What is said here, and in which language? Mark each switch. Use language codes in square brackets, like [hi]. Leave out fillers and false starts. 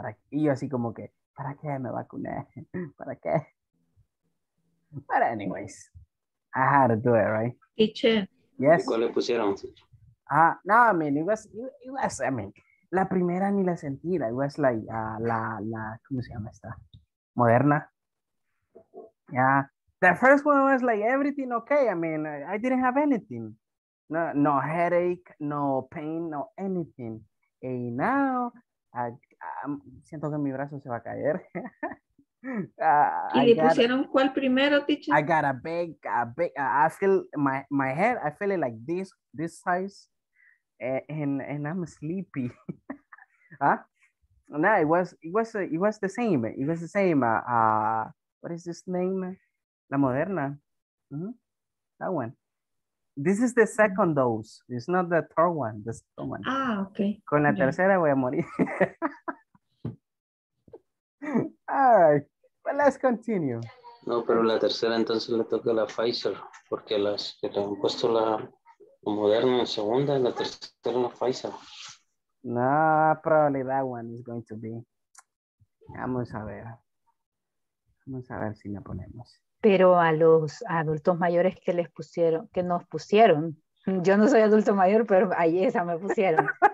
[es] Y yo así como que, ¿para qué me vacuné? ¿Para qué? [en] But anyways, I had to do it, right? Teacher. Yes. [es] ¿Cuál le pusieron? No, [en] I mean, [es] la primera ni la sentí, [en] it was like, [es] la, ¿cómo se llama esta? Moderna. [en] Yeah, the first one was like everything okay. I mean, I didn't have anything. No headache, no pain, no anything. And now [es] siento que mi brazo se va a caer. ¿Y le pusieron cuál primero, teacher? [en] I got a big, I feel my head, I feel it like this size, and I'm sleepy. No, it was the same. It was the same. What is this name? La Moderna. Mm-hmm. That one. This is the second dose. It's not the third one. The second one. Ah, okay. [es] Con la tercera voy a morir. [en] All right. But let's continue. [es] No, pero la tercera entonces le toca a la Pfizer. Porque las que le han puesto la Moderna en segunda, la tercera la Pfizer. [en] No, probably that one is going to be. [es] Vamos a ver. Vamos a ver si la ponemos. Pero a los adultos mayores que les pusieron, que nos pusieron. Yo no soy adulto mayor, pero ahí esa me pusieron.